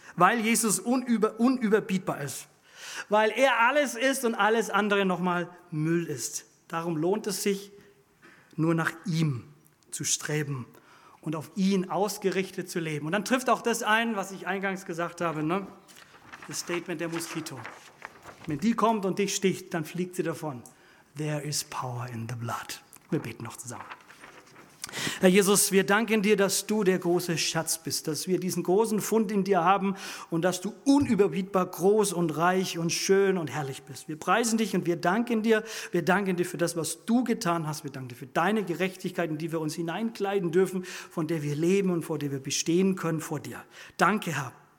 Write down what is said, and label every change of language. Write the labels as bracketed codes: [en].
[de] Weil Jesus unüberbietbar ist. Weil er alles ist und alles andere nochmal Müll ist. Darum lohnt es sich, nur nach ihm zu streben und auf ihn ausgerichtet zu leben. Und dann trifft auch das ein, was ich eingangs gesagt habe, ne? Das Statement der Moskito. Wenn die kommt und dich sticht, dann fliegt sie davon. [en] There is power in the blood. [de] Wir beten noch zusammen. Herr Jesus, wir danken dir, dass du der große Schatz bist, dass wir diesen großen Fund in dir haben und dass du unüberbietbar groß und reich und schön und herrlich bist. Wir preisen dich und wir danken dir. Wir danken dir für das, was du getan hast. Wir danken dir für deine Gerechtigkeit, in die wir uns hineinkleiden dürfen, von der wir leben und vor der wir bestehen können vor dir. Danke, Herr.